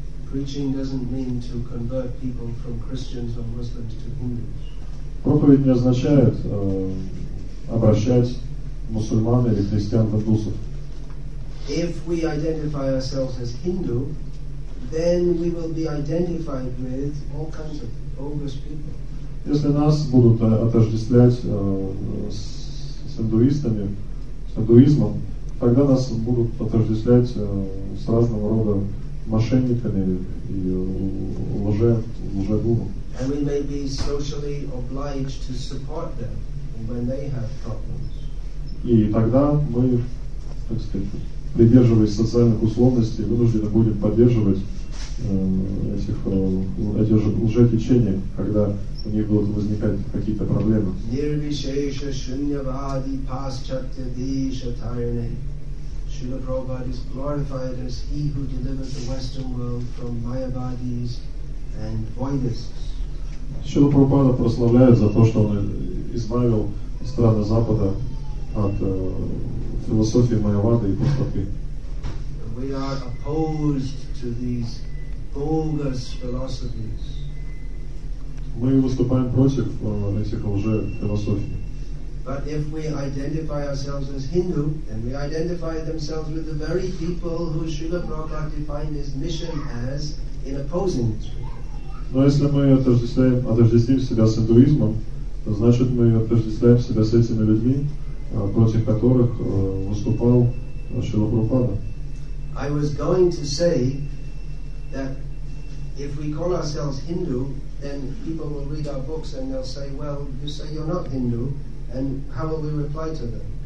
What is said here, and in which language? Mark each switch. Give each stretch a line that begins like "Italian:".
English: Preaching doesn't mean to convert people from Christians or Muslims to Hindus.
Russian: Проповедь не означает обращать мусульман или христиан в индусов.
English: If we identify ourselves as Hindu, then we will be identified with all kinds of bogus people.
Russian: Если нас будут отождествлять с индуистами, с индуизмом, тогда нас будут отождествлять с разного рода мошенниками и лжедумом.
English: And we may be socially obliged to support them when they have problems.
Russian: И тогда мы, так сказать, придерживаясь социальных условностей, вынуждены будем поддерживать эти лжетечения, когда у них будут возникать какие-то проблемы.
Sanskrit: Нирвишеша шуньявади пасчатя диша тайне.
English: Шрила Прабхупада is glorified as he who delivered the Western world from Mayavadis and voidists.
Russian: Шрила Прабхупада прославляет за то, что он избавил страны Запада от философии майявады и пустоты.
English: We are opposed to these bogus philosophies.
Russian: Мы выступаем против этих лжефилософий.
English: But if we identify ourselves as Hindu, then we identify themselves with the very people who Srila Prabhupada defined his mission as in opposing it.
Russian: Но если мы отождествим себя с индуизмом, то значит мы отождествляем себя с этими людьми, против которых выступал Шрила Прабхупада.
English: I was going to say that if we call ourselves Hindu, then people will read our books and they'll say, well, you say you're not Hindu, and how will we reply to them?